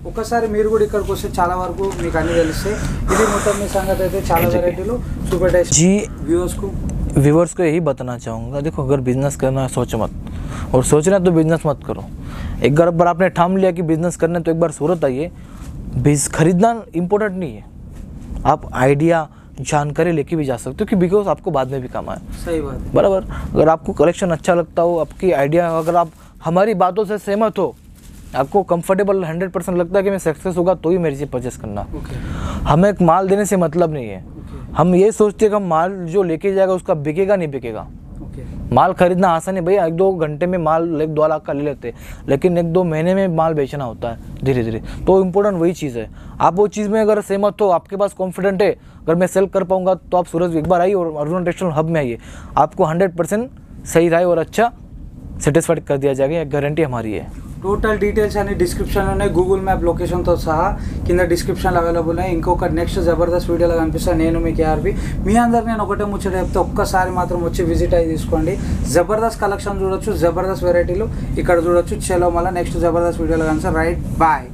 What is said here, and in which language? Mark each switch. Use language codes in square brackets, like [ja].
[te] ఒకసారి మీరు కూడా ఇక్కడికి వస్తే చాలా వరకు మీకు అన్ని తెలుస్తాయి, ఇది మొత్తం మీ సంగతి అయితే చాలా వెరైటీలు సూపర్ [hi] టేస్టీ వ్యూవర్స్ కు व्यूअर्स को यही बताना चाहूँगा, देखो अगर बिजनेस करना है सोच मत, और सोचना तो बिजनेस मत करो। एक बार आपने ठाम लिया कि बिजनेस करना है तो एक बार सूरत आइए। खरीदना इम्पोर्टेंट नहीं है, आप आइडिया जानकारी लेके भी जा सकते हो कि बिकॉज आपको बाद में भी काम आए। सही बात है। बराबर, अगर आपको कलेक्शन अच्छा लगता हो, आपकी आइडिया, अगर आप हमारी बातों से सहमत हो, आपको कंफर्टेबल 100% लगता है कि मैं सक्सेस होगा तो ही मेरे से परचेस करना। हमें एक माल देने से मतलब नहीं है, हम ये सोचते हैं कि माल जो लेके जाएगा उसका बिकेगा नहीं बिकेगा। माल खरीदना आसान है भैया, 1-2 घंटे में माल 1-2 लाख का ले लेते हैं, लेकिन 1-2 महीने में माल बेचना होता है धीरे धीरे। तो इम्पोर्टेंट वही चीज़ है, आप वो चीज़ में अगर सहमत हो, आपके पास कॉन्फिडेंट है अगर मैं सेल कर पाऊंगा तो आप सूरत एक बार आइए और अरुणा टेक्सटाइल हब में आइए, आपको 100% सही राय और अच्छा सेटिस्फाइड कर दिया जाएगा, गारंटी हमारी है। [te] టోటల్ డీటెయిల్స్ అన్ని డిస్క్రిప్షన్లోనే, గూగుల్ మ్యాప్ లొకేషన్తో సహా కింద డిస్క్రిప్షన్లో అవైలబుల్ ఉన్నాయి. ఇంకొక నెక్స్ట్ జబర్దస్త్ వీడియోలో కనిపిస్తాను నేను మీకు ఆర్బి. మీ అందరు నేను ఒకటే ముచ్చట చెప్తే ఒక్కసారి మాత్రం వచ్చి విజిట్ అయ్యి తీసుకోండి, జబర్దస్త్ కలెక్షన్ చూడొచ్చు, జబర్దస్త్ వెరైటీలు ఇక్కడ చూడొచ్చు. చలో మళ్ళీ నెక్స్ట్ జబర్దస్త్ వీడియోలో కలిసి, [en] Right bye.